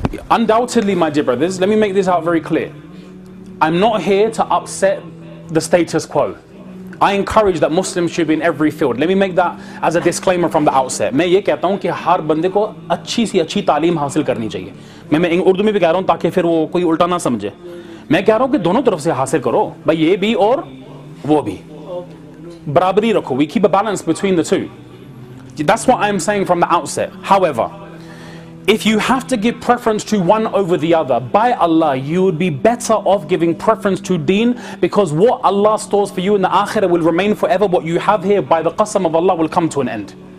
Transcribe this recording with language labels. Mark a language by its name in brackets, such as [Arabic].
[English] Undoubtedly, my dear brothers, let me make this out very clear. I'm not here to upset the status quo. I encourage that Muslims should be in every field. Let me make that as a disclaimer from the outset. [Urdu] میں یہ کہتا ہوں کہ ہر بندے کو اچھی سے اچھی تعلیم حاصل کرنی چاہیے۔ میں ان اردو میں بھی کہہ رہا ہوں تاکہ پھر وہ کوئی الٹا نہ سمجھے۔ میں کہہ رہا ہوں کہ دونوں طرف سے حاصل کرو۔ بھائی یہ بھی اور وہ بھی۔ برابری رکھو۔ [English] We keep a balance between the two. That's what I'm saying from the outset. However, if you have to give preference to one over the other, by Allah, you would be better off giving preference to deen, because what Allah stores for you in the akhirah will remain forever. What you have here, by the qasam of Allah, will come to an end.